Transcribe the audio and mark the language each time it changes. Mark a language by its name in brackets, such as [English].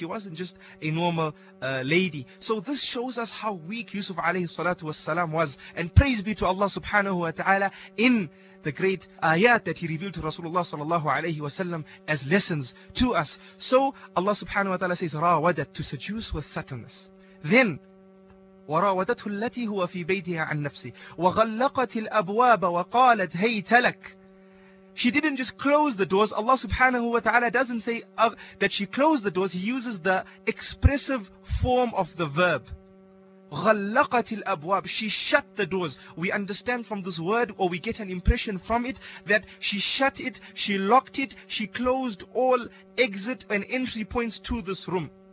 [English] She wasn't just a normal lady. So this shows us how weak Yusuf alayhi salatu wasalam was. And praise be to Allah subhanahu wa ta'ala in the great ayat that he revealed to Rasulullah sallallahu alayhi wasallam as lessons to us. So Allah subhanahu wa ta'ala says, rawadat, to seduce with subtleness. Then, [Arabic] وراودته التي هو في بيتها عن نفسه وغلقت الأبواب وقالت هيت لك. [English] She didn't just close the doors. Allah subhanahu wa ta'ala doesn't say that she closed the doors. He uses the expressive form of the verb. [Arabic] غلقت الأبواب. [English] She shut the doors. We understand from this word, or we get an impression from it, that she shut it, she locked it, she closed all exit and entry points to this room.